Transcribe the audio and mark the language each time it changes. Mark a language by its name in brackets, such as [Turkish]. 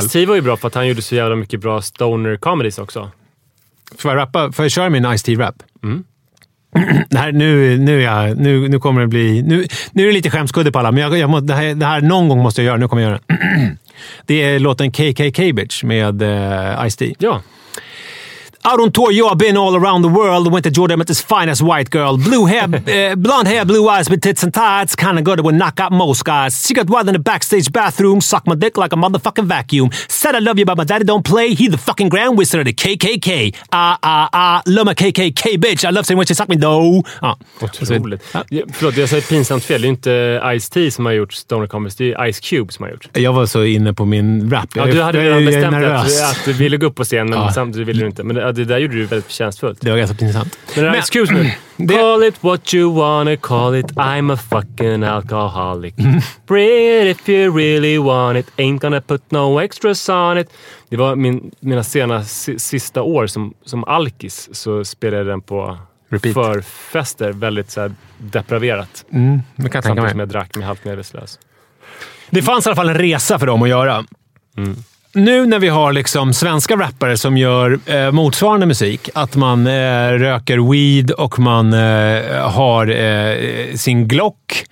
[Swedish] Ice-T var ju bra för att han gjorde så jävla mycket bra stoner comedies också. Får jag köra min Ice-T-rap? Mm. Det här, nu kommer det bli... Nu är det lite skämskudde på alla, men jag må, det här någon gång måste jag göra. Nu kommer jag göra det. Det är låten KK Cabbage med Ice-T. Ja. [English] Out on tour, yo, I've been all around the world. Went to Jordan, met this finest white girl. Blue hair, blonde hair, blue eyes with tits and tights. Kinda good, it would knock out most guys. She got wild in the backstage bathroom. Suck my dick like a motherfucking vacuum. Said I love you, but my daddy don't play. He the fucking grand wizard of the KKK. Love my KKK, bitch. I love saying when she suck me, though. [Swedish] Otroligt. Ja, förlåt, jag säger pinsamt fel. Det är inte Ice-T som har gjort Stoner Comics. Det är Ice Cube som har gjort. Jag var så inne på min rap. Ja, du hade redan bestämt att du ville gå upp på scen, men samtidigt ville du inte. Men ja, det där gjorde du väldigt förtjänstfullt. Det var ganska intressant. [English] Men excuse me. Call it what you wanna call it. I'm a fucking alcoholic. Bring it if you really want it. Ain't gonna put no extras on it. [Swedish] Det var mina sista år som alkis, så spelade jag den på repeat. För fester väldigt så här depraverat. Mm, det kan jag tänka mig. Som jag drack med halvt medvetslös. Det fanns i alla fall en resa för dem att göra. Mm. Nu när vi har liksom svenska rappare som gör motsvarande musik, att man röker weed och man har sin Glock.